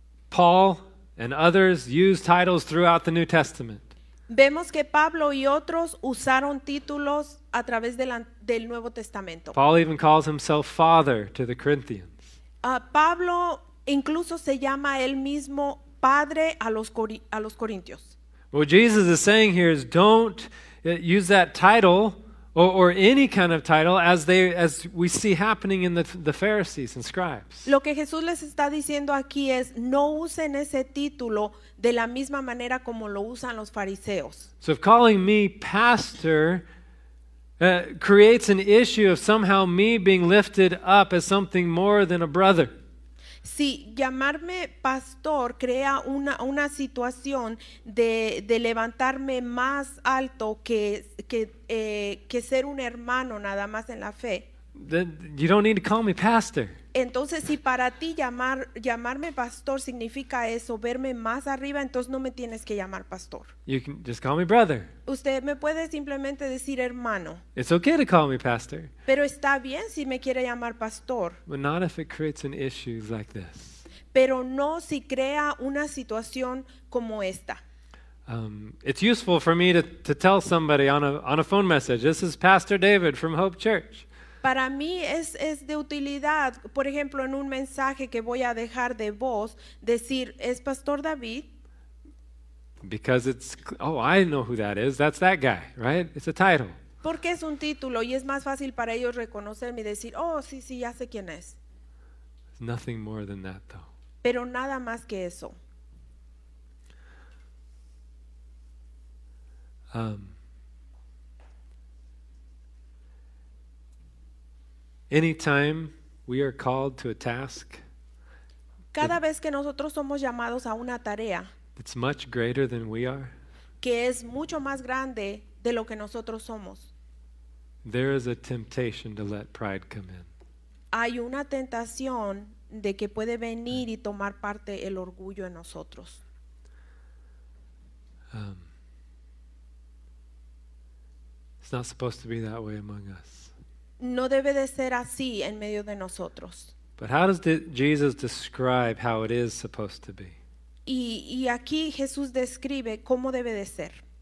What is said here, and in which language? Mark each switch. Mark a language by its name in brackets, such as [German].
[English] Paul and others used titles throughout the New Testament. [Spanish] Vemos que Pablo y otros usaron títulos a través del Nuevo Testamento. [English] Paul even calls himself Father to the Corinthians. [Spanish] Pablo incluso se llama él mismo Padre a los Corintios. [English] What Jesus is saying here is don't use that title or any kind of title as we see happening in the Pharisees and scribes. [Spanish] Lo que Jesús les está diciendo aquí es no usen ese título de la misma manera como lo usan los fariseos. [English] So if calling me pastor creates an issue of somehow me being lifted up as something more than a brother. [Spanish] Si llamarme pastor crea una situación de levantarme más alto que ser un hermano nada más en la fe. [English] Then you don't need to call me pastor. [Spanish] Entonces si para ti llamarme pastor significa eso, verme más arriba, entonces no me tienes que llamar pastor. [English] You can just call me brother. [Spanish] Usted me puede simplemente decir hermano. [English] It's okay to call me pastor. [Spanish] Pero está bien si me quiere llamar pastor. [English] But not if it creates an issue like this. [Spanish] Pero no si crea una situación como esta. [English] It's useful for me to tell somebody on a phone message, this is Pastor David from Hope Church. [Spanish] Para mí es de utilidad, por ejemplo, en un mensaje que voy a dejar de voz, decir, ¿es Pastor David? [English] Because it's, oh, I know who that is, that's that guy, right? It's a title. [Spanish] Porque es un título y es más fácil para ellos reconocerme y decir, oh, sí, sí, ya sé quién es. [English] It's nothing more than that, though. [Spanish] Pero nada más que eso. [English] Anytime we are called to a task, [Spanish] cada vez que nosotros somos llamados a una tarea, [English] it's much greater than we are, [Spanish] que es mucho más grande de lo que nosotros somos. [English] There is a temptation to let pride come in. [Spanish] Hay una tentación de que puede venir y tomar parte el orgullo en nosotros. [English] It's not supposed to be that way among us. [Spanish] No debe de ser así en medio de nosotros. [English] But how does Jesus describe how it is supposed to be? [Spanish] Y aquí Jesús describe cómo debe de ser.